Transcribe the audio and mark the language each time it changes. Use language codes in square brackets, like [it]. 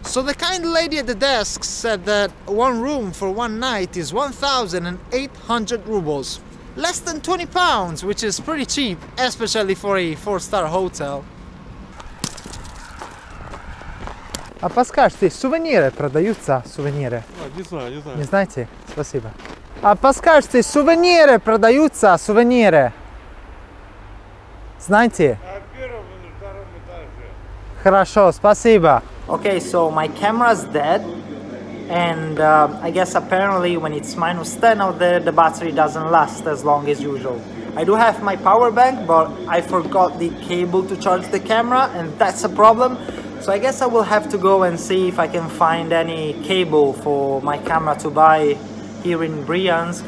[en] So the kind lady at the desk said that one room for one night is 1,800 rubles. Less than 20 pounds, which is pretty cheap, especially for a 4-star hotel. [ru] А подскажете, сувениры продаются? Сувениры? Не знаю. Не знаете? Спасибо. А подскажете, сувениры продаются? Сувениры? Знаете? На первом и на втором этаже. Хорошо, спасибо. [en] Okay, so my camera's dead. And I guess apparently when it's minus 10 out there, the battery doesn't last as long as usual. I do have my power bank, but I forgot the cable to charge the camera and that's a problem. So I guess I will have to go and see if I can find any cable for my camera to buy here in Bryansk.